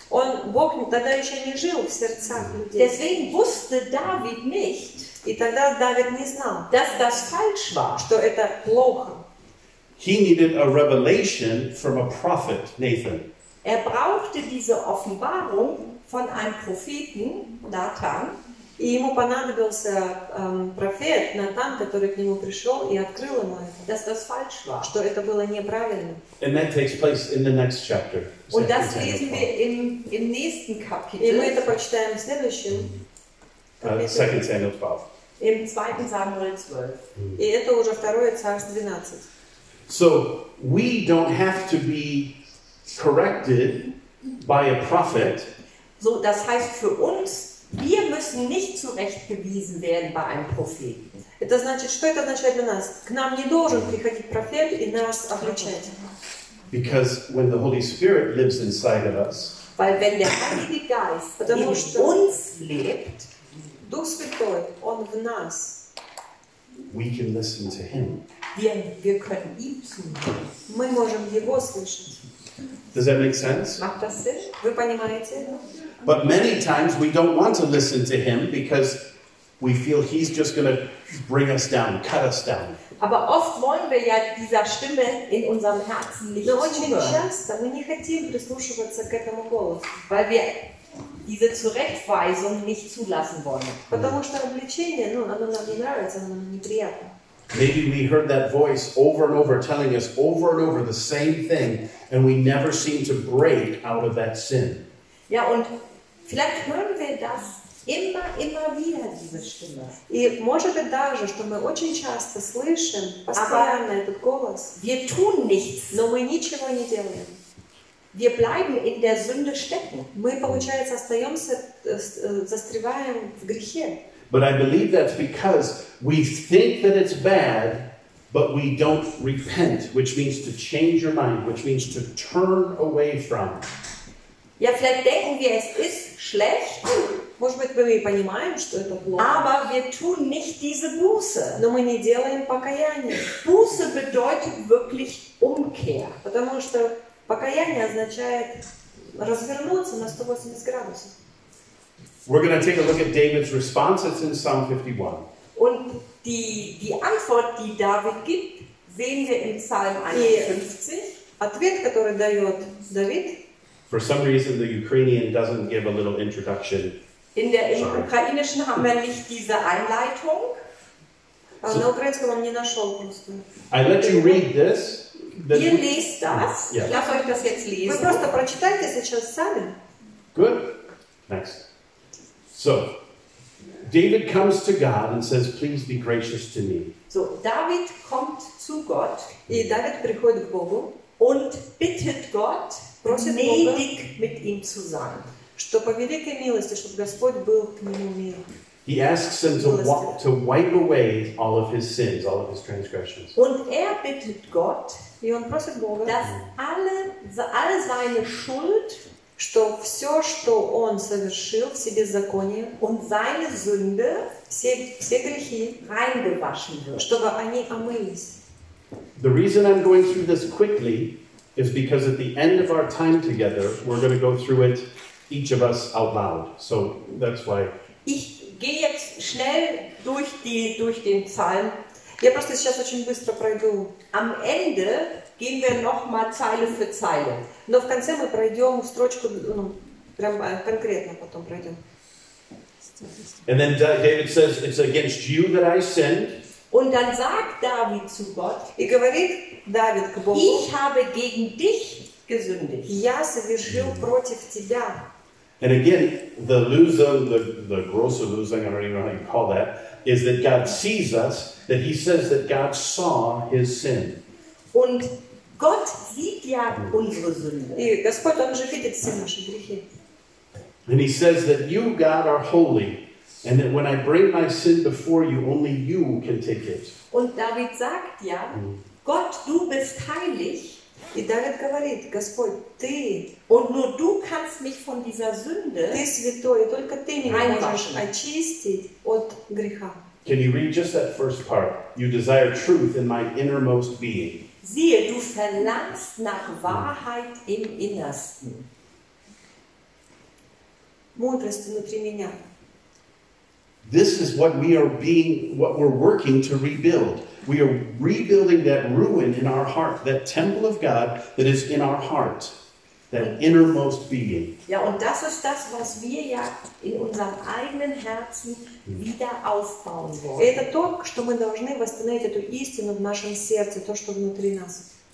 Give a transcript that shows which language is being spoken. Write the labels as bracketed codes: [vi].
[de] Und [ru] Бог тогда еще не жил в сердцах людей. [de] Deswegen wusste David nicht, [ru] и тогда Давид не знал, [de] dass das falsch war, [ru] что это плохо. [en] He needed a revelation from a prophet, Nathan. [de] Er brauchte diese Offenbarung von einem Propheten, Nathan. [ru] И ему понадобился профет Натан, который к нему пришел и открыл ему это, что это было неправильно. [en] And that takes place in the next chapter. [de] Und das lesen wir im nächsten Kapitel. [ru] И мы это прочитаем в следующем [de] Kapitel. Im 2. Samuel 12. [ru] И это уже 2 Царств 12. [en] So we don't have to be corrected by a prophet. [de] So, das heißt für uns, wir müssen nicht zurechtgewiesen werden bei einem Propheten. [ru] Это значит, что это означает для нас? К нам не должен приходить профет и нас обличать. [en] Because when the Holy Spirit lives inside of us, [de] weil wenn der Heilige Geist in uns lebt, [ru] Дух Святой, он в нас, [en] we can listen to him. [de] Wir können ihm zuhören. [ru] Мы можем его слышать. [en] Does that make sense? [de] Macht das Sinn? [ru] Вы понимаете? [en] But many times we don't want to listen to him because we feel he's just going to bring us down, cut us down. [de] Aber oft wollen wir ja dieser Stimme in unserem Herzen nicht zuhören. [ru] Очень часто мы не хотим прислушиваться к этому голосу, [de] weil wir diese Zurechtweisung nicht zulassen wollen. [ru] Потому что обличение, ну, оно нам не нравится, оно нам неприятно. [en] Maybe we heard that voice over and over telling us over and over the same thing, and we never seem to break out of that sin. [de] Ja, und vielleicht hören wir das immer, immer wieder, diese Stimme. [ru] И может быть даже, что мы очень часто слышим постоянно этот голос. [de] Wir tun nichts. [ru] Но мы ничего не делаем. [de] Wir bleiben in der Sünde stecken. [ru] Мы, получается, остаемся, застреваем в грехе. [en] But I believe that's because we think that it's bad, but we don't repent, which means to change your mind, which means to turn away from. [de] Ja, vielleicht denken wir, es ist schlecht. [ru] Может быть, мы понимаем, что это плохо. [de] Aber wir tun nicht diese Buße. [ru] Но мы не делаем покаяние. [de] Buße bedeutet wirklich Umkehr. [ru] Потому что покаяние означает развернуться на 180 градусов. [en] We're going to take a look at David's response. It's in Psalm 51. [de] Und die Antwort, die David gibt, sehen wir in Psalm 51. [ru] Ответ, который дает David. [en] For some reason, the Ukrainian doesn't give a little introduction. [de] In der ukrainischen haben wir nicht diese Einleitung. [ru] So, на украинском он не нашел просто. [en] I let you read this. [de] Ihr lest das. [en] Yes. [de] Lass euch das jetzt lesen. [ru] Вы просто прочитайте сейчас сами. [en] Good. Next. So, David comes to God and says, please be gracious to me. [de] So, David kommt zu Gott. [ru] И David приходит к Богу. [de] Und bittet Gott, [ru] просит [de] gnädig mit ihm zu sein. [ru] Что по великой милости, чтобы Господь был к нему мил. [en] He asks him to wipe away all of his sins, all of his transgressions. [de] Und bittet Gott, [ru] и он просит Бога, [de] dass alle seine Schuld, [ru] что все, что он совершил в себе законе, [de] und seine Sünde, [ru] все грехи, [de] reingewaschen wird, [ru] чтобы они омылись. [en] The reason I'm going through this quickly is because at the end of our time together, we're going to go through it, each of us, out loud. So that's why. [de] Ich gehe jetzt schnell durch den Psalm. [ru] Я просто сейчас очень быстро пройду. [de] Am Ende gehen wir nochmal Zeile für Zeile. [ru] Но в конце мы пройдем строчку, ну, прям конкретно потом пройдем. [en] And then David says, it's against you that I sinned. [de] Und dann sagt David zu Gott, [ru] и говорит David к Богу, [de] ich habe gegen dich gesündigt. [ru] Я совершил против тебя. [en] And again, the loser, the grosser losing, I don't even know how you call that, is that God sees us, that he says that God saw his sin. [de] Und Gott sieht ja unsere Sünde. [ru] И Господь, он же видит все наши грехи. [en] And he says that you, God, are holy, And that when I bring my sin before you, only you can take it. [de] Und David sagt ja, Gott, du bist heilig. [ru] И David говорит, Господь, ты. [de] Und nur du kannst mich von dieser Sünde. [ru] Ты святой, только ты меня можешь очистить от греха. [en] Can you read just that first part? You desire truth in my innermost being. [de] Siehe, du verlangst nach Wahrheit im Innersten. [ru] Мудрость внутри меня. [en] This is what we are being, what we're working to rebuild. We are rebuilding that ruin in our heart, that temple of God that is in our heart, that innermost being. [de] Ja, und das ist das, was wir ja in unserem eigenen Herzen wieder aufbauen wollen. [ru] Это то, что мы должны восстановить эту истину в нашем сердце, то, что внутри нас.